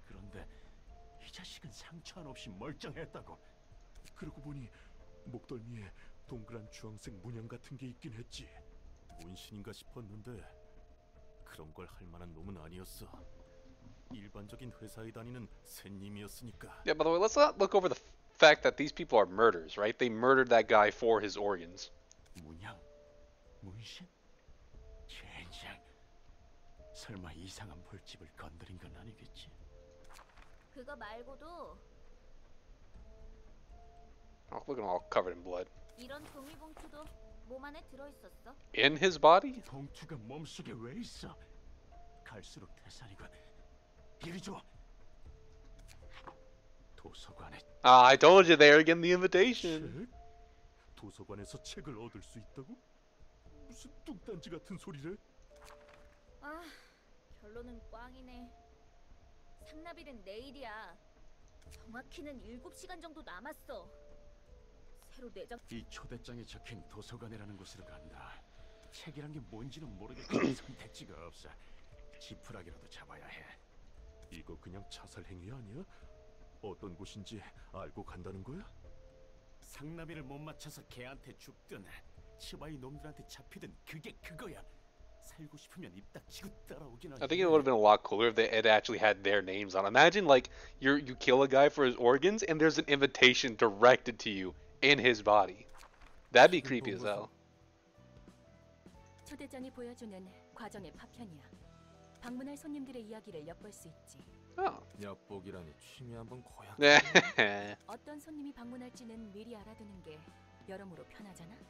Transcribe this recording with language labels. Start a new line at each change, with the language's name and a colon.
Korean: 그런데 이 자식은 상처 한없이 멀쩡했다고. 그러고 보니 목덜미에 동그란 주황색 문양 같은 게 있긴 했지. 문신인가 싶었는데 그런 걸 할 만한 놈은 아니었어. 일반적인 회사에 다니는 샌님이었으니까.
English: Yeah, by the way, let's not look over the fact that these people are murderers, right? They murdered that guy for his organs.
Korean: 문양? 문신? 젠장. 설마 이상한 벌집을 건드린 건 아니겠지? 그거 말고도
English: Oh, look at all covered in blood.
Korean: 이런 종이봉투도 몸 안에 들어있었어?
English: In his body?
Korean: 봉투가 몸속에 왜 있어? 갈수록 태산이군. 이리 줘. 도서관에.
English: Ah, I told you they are getting the invitation.
Korean: 책? 도서관에서 책을 얻을 수 있다고? 무슨 뚱딴지 같은 소리를? 아, 결론은 꽝이네. 상납일은 내일이야. 정확히는 7시간 정도 남았어. 새로 내장. 이 초대장에 적힌 도서관이라는 곳으로 간다. 책이란 게 뭔지는 모르겠지만 선택지가 없어. 지푸라기라도 잡아야 해. 이거 그냥 자살 행위 아니야? 어떤 곳인지 알고 간다는 거야? 상나비를 못 맞춰서 걔한테 죽든 치바이 놈들한테 잡히든 그게 그거야.
English: I think it would have been a lot cooler if they had actually had their names on. Imagine, like, you kill a guy for his organs, and there's an invitation directed to you in his body. That'd be creepy as hell.
Korean: 초대장이 보여주는 과정의 파편이야. 방문할 손님들의 이야기를 엿볼 수 있지. 엿보기라니 취미 한번 고양. 네. 어떤 손님이 방문할지는 미리 알아두는 게 여러모로 편하잖아.